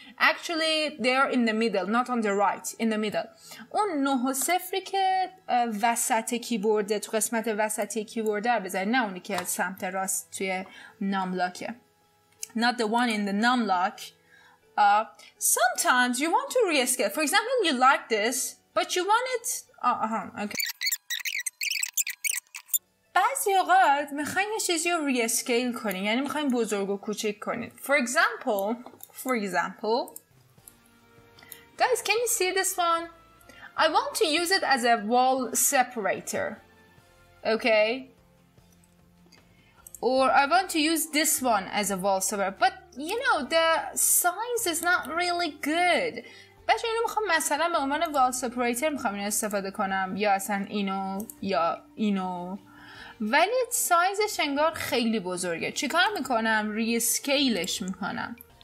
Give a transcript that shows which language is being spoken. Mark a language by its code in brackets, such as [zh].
[en] Actually, they are in the middle, not on the right. In the middle. [fa] اون 9 و 0 که وسط کیبورده، تو قسمت وسطی کیبورده رو بزنید. نه اونی که سمت راست توی ناملاکه. [en] Not the one in the [fa] ناملاک. [en] Sometimes you want to rescale. For example, you like this, but you want it... Okay. [fa] بعضی اوقات میخواییم یه چیزی رو ریسکیل کنیم، یعنی میخواییم بزرگ و کوچک کنیم. [en] For example guys, can you see this one? I want to use it as a wall separator. Okay. Or I want to use this one as a wall separator. But you know, the size is not really good. [fa] بچه اینو میخوام مثلا به عنوان wall separator میخوام اینو استفاده کنم، یا اصلا اینو یا اینو، ولی سایزش انگار خیلی بزرگه. چیکار میکنم؟ ریسکیلش میکنم.